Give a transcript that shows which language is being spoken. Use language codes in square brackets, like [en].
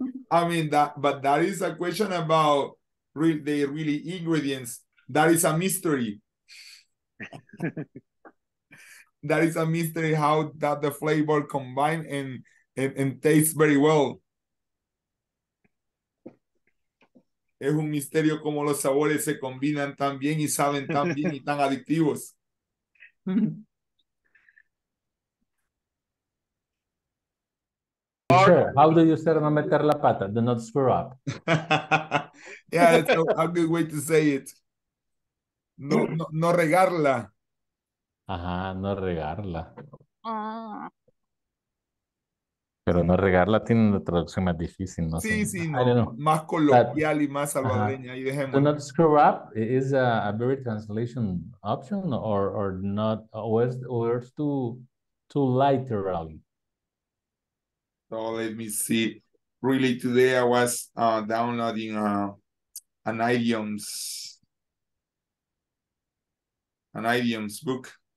[en] I mean that is a question about the ingredients. That is a mystery. That is a mystery how that the flavor combine and tastes very well. [es] Es un misterio como los sabores se combinan tan bien y saben tan bien y tan adictivos. [en] Sure. How do you say [es] no meter la pata? [en] Do not screw up. Yeah, that's a good way to say it. [es] no regarla. Ajá, no regarla. Pero no regarla tiene una traducción más difícil, ¿no? Sí, sí, no. Más coloquial y más salvadoreña. Y dejemos. [en] Not screw up is a very translation option or not, or it's too literally. So let me see. Really, today I was downloading an idioms book.